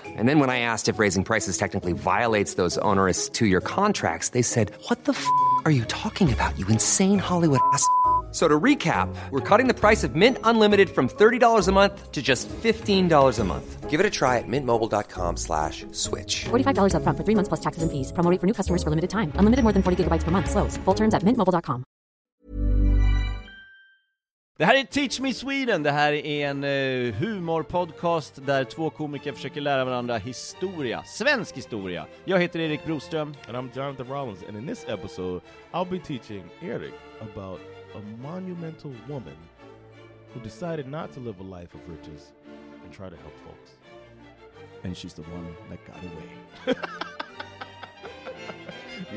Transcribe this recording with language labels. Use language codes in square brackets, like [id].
[en] And then when I asked if raising prices technically violates those onerous two-year contracts, they said, what the f*** are you talking about, you insane Hollywood ass f- So to recap, we're cutting the price of Mint Unlimited from $30 a month to just $15 a month. Give it a try at mintmobile.com/switch. $45 up front for 3 months plus taxes and fees. Promo rate for new customers for limited time. Unlimited more than 40 gigabytes per month. Slows full terms at mintmobile.com. [sv] Det här är Teach Me Sweden. Det här är en humorpodcast där två komiker försöker lära varandra historia. Svensk historia. Jag heter Erik Broström. [en] And I'm Jonathan Rollins. And in this episode, I'll be teaching Erik about a monumental woman who decided not to live a life of riches and try to help folks. And she's the one that got away.